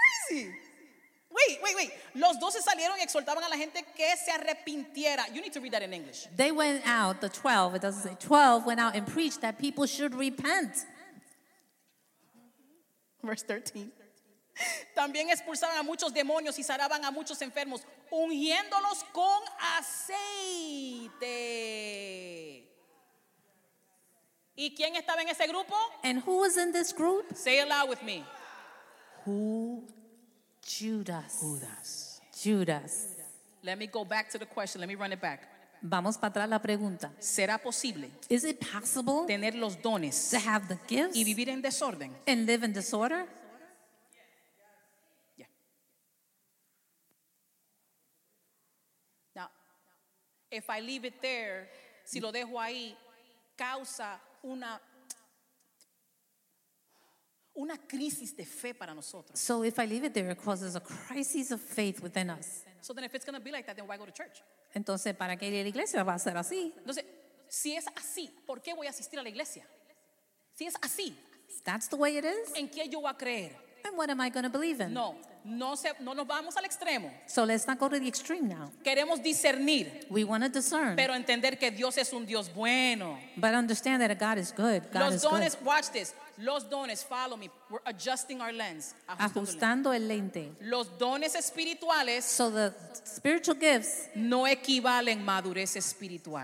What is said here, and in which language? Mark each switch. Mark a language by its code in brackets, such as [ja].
[en] Wait, this is crazy. [es] Los doce salieron y exhortaban a la gente que se arrepintiera. [en] You need to read that in English. They went out, the 12, it doesn't say 12, went out and preached that people should repent. Verse 13. [es] También expulsaban a muchos demonios y sanaban a muchos enfermos, ungiéndolos con aceite. ¿Y quién estaba en ese grupo? [en] And who was in this group? Say it loud with me. Who? Judas. Judas. Judas. Let me go back to the question. Let me run it back. [es] Vamos para atrás la pregunta. ¿Será posible? [en] Is it possible? [es] Tener los dones. [en] To have the gifts. [es] Y vivir en desorden. [en] And live in disorder. If I leave it there, [es] si lo dejo ahí, causa una crisis de fe para nosotros. [en] So if I leave it there, it causes a crisis of faith within us. So then if it's going to be like that, then why go to church? [es] Entonces, ¿para qué ir a la iglesia? Va a ser así. Entonces, si es así, ¿por qué voy a asistir a la iglesia? Si es así, [en] that's the way it is. [es] ¿En qué yo voy a creer? [en] And what am I going to believe in? [es] No nos vamos al extremo. [en] So let's not go to the extreme now. [es] Queremos discernir. [en] We want to discern. [es] Pero entender que Dios es un Dios bueno. [en] But understand that God is good. God [es] los [en] is [es] dones, [en] good. Watch this. [es] Los dones, [en] follow me. We're adjusting our lens. [es] Ajustando el lente. Los dones espirituales. [en] So the spiritual gifts. [es] No equivalen madurez espiritual.